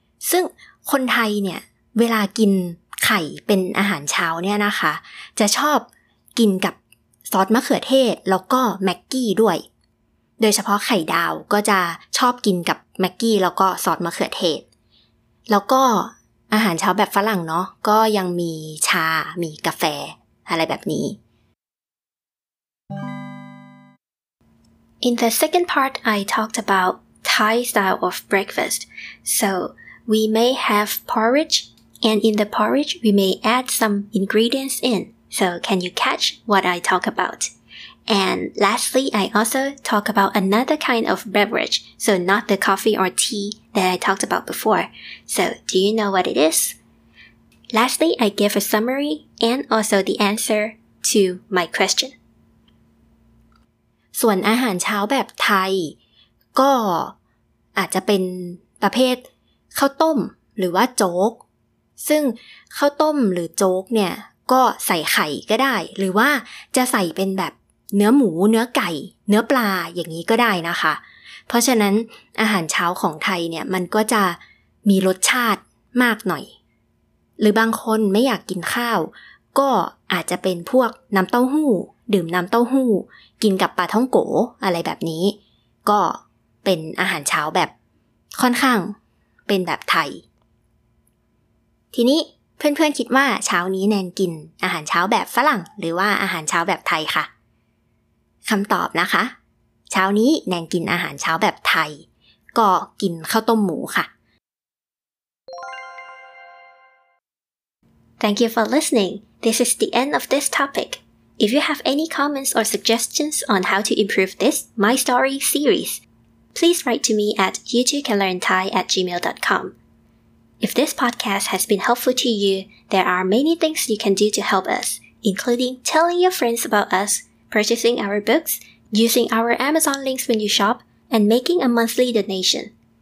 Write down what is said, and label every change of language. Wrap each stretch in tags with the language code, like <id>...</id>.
<th>ซึ่งคนไทยเนี่ยเวลากินไข่เป็นอาหารเช้าเนี่ยนะคะจะชอบกินกับซอสมะเขือเทศแล้วก็แม็กกี้ด้วยโดยเฉพาะไข่ดาวก็จะชอบกินกับแม็กกี้แล้วก็ซอสมะเขือเทศแล้วก็อาหารเช้าแบบฝรั่งเนาะก็ยังมีชามีกาแฟอะไรแบบนี้</th> <en>In the second part I talked about Thai style of breakfast so we may have porridge and in the porridge we may add some ingredients inSo can you catch what I talk about? And lastly, I also talk about another kind of beverage, so not the coffee or tea that I talked about before. So, do you know what it is? Lastly, I give a summary and also the answer to my question.</en> <th>ส่วนอาหารเช้าแบบไทยก็อาจจะเป็นประเภทข้าวต้มหรือว่าโจ๊กซึ่งข้าวต้มหรือโจ๊กเนี่ยก็ใส่ไข่ก็ได้หรือว่าจะใส่เป็นแบบเนื้อหมูเนื้อไก่เนื้อปลาอย่างนี้ก็ได้นะคะเพราะฉะนั้นอาหารเช้าของไทยเนี่ยมันก็จะมีรสชาติมากหน่อย หรือบางคนไม่อยากกินข้าวก็อาจจะเป็นพวกน้ำเต้าหู้ดื่มน้ำเต้าหู้กินกับปลาท่องโกอะไรแบบนี้ก็เป็นอาหารเช้าแบบค่อนข้างเป็นแบบไทย ทีนี้เพื่อนๆคิดว่าเช้านี้แนนกินอาหารเช้าแบบฝรั่งหรือว่าอาหารเช้าแบบไทยคะคำตอบนะคะเช้านี้แนนกินอาหารเช้าแบบไทยก็กินข้าวต้มหมูค่ะ</th> <en>Thank you for listening. This is the end of this topic. If you have any comments or suggestions on how to improve this My Story series, please write to me at youtucanlearnthai@gmail.com. If this podcast has been helpful to you, there are many things you can do to help us, including telling your friends about us, purchasing our books, using our Amazon links when you shop, and making a monthly donation.</en>